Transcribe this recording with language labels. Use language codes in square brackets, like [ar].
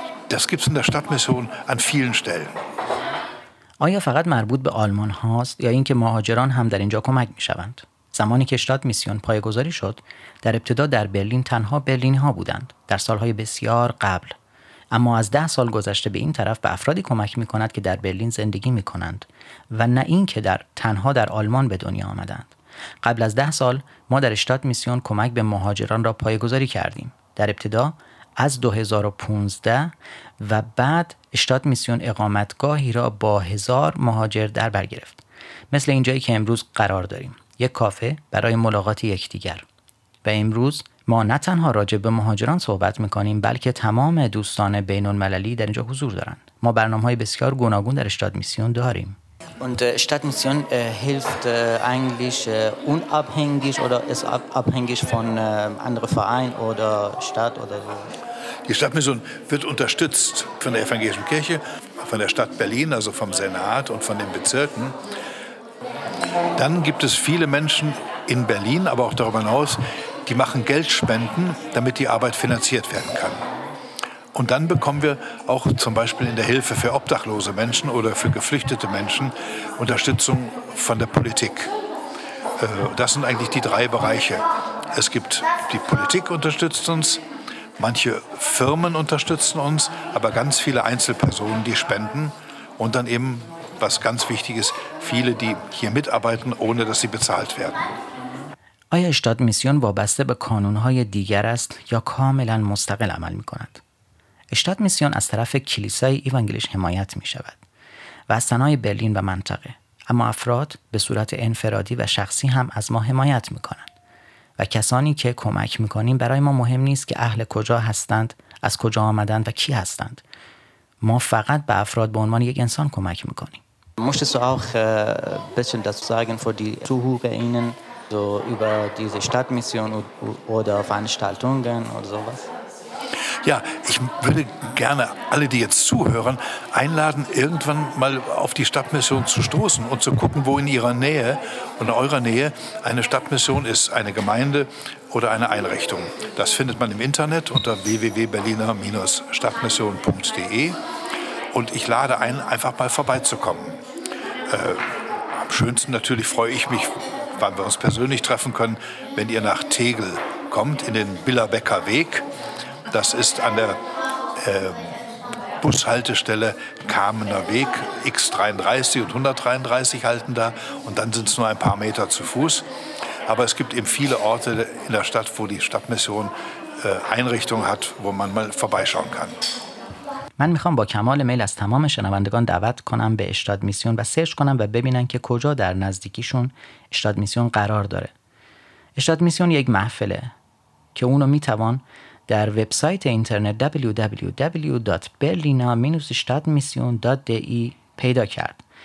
[de] Das gibt's in der Stadtmission an vielen Stellen. [fa] آیا فقط مربوط به آلمان هاست یا اینکه مهاجران هم در اینجا کمک میشوند؟ زمانی که شتات میسیون پایه‌گذاری شد، در ابتدا در برلین تنها برلینی ها بودند، در سالهای بسیار قبل. اما از 10 سال گذشته به این طرف به افرادی کمک میکند که در برلین زندگی میکنند و نه اینکه در تنها در آلمان به دنیا آمدند. قبل از 10 سال ما در شتات میسیون کمک به مهاجران را پایه‌گذاری کردیم. در ابتدا از 2015 و بعد اشتاد میسیون اقامتگاهی را با 1000 مهاجر در بر گرفت. مثل اینجایی که امروز قرار داریم. یک کافه برای ملاقات یکدیگر. و امروز ما نه تنها راجع به مهاجران صحبت میکنیم بلکه تمام دوستان بین المللی در اینجا حضور دارند. ما برنامه‌های بسیار گوناگون در اشتاد میسیون داریم. [de] Und Stadtmission hilft eigentlich unabhängig oder ist abhängig von anderen Vereinen oder Stadt oder so? Die Stadtmission wird unterstützt von der Evangelischen Kirche, von der Stadt Berlin, also vom Senat und von den Bezirken. Dann gibt es viele Menschen in Berlin, aber auch darüber hinaus, die machen Geldspenden, damit die Arbeit finanziert werden kann. Und dann bekommen wir auch zum Beispiel in der Hilfe für obdachlose Menschen oder für geflüchtete Menschen Unterstützung von der Politik. Das sind eigentlich die drei Bereiche. Es gibt die Politik unterstützt uns, manche Firmen unterstützen uns, aber ganz viele Einzelpersonen, die spenden. Und dann eben, was ganz wichtig ist, viele, die hier mitarbeiten, ohne dass sie bezahlt werden. [fa] آیا اشتاد میسیون وابسته به کانون‌های دیگر است یا کاملاً مستقل عمل می‌کند؟ اشتاد میسیون از طرف کلیسای ایوانگلیش حمایت می شود و از ثنای برلین و منطقه، اما افراد به صورت انفرادی و شخصی هم از ما حمایت می کنند و کسانی که کمک می کنیم برای ما مهم نیست که اهل کجا هستند، از کجا آمدند و کی هستند. ما فقط به افراد به عنوان یک انسان کمک می کنیم. [de] Möchtest du auch bisschen das sagen für die Zuhörerinnen so über diese Stadtmission oder Veranstaltungen oder sowas? Ja, ich würde gerne alle, die jetzt zuhören, einladen, irgendwann mal auf die Stadtmission zu stoßen und zu gucken, wo in ihrer Nähe und eurer Nähe eine Stadtmission ist, eine Gemeinde oder eine Einrichtung. Das findet man im Internet unter www.berliner-stadtmission.de und ich lade ein, einfach mal vorbeizukommen. Am schönsten natürlich freue ich mich, wann wir uns persönlich treffen können, wenn ihr nach Tegel kommt, in den Billerbecker Weg. Das ist an der Bushaltestelle Kamener Weg, X33 und 133 halten da. Und dann sind es nur ein paar Meter zu Fuß. Aber es gibt eben viele Orte in der Stadt, wo die Stadtmission Einrichtungen hat, wo man mal vorbeischauen kann. [fa] من میخوام با کمال میل از تمام شنوندگان دعوت کنم به اشتاد میسیون و سرچ کنم و ببینن که کجا در نزدیکیشون اشتاد میسیون قرار داره. اشتاد میسیون یک محفله که اونو میتوان در وبسایت اینترنت www.berliner-stadtmission.de پیدا کرد.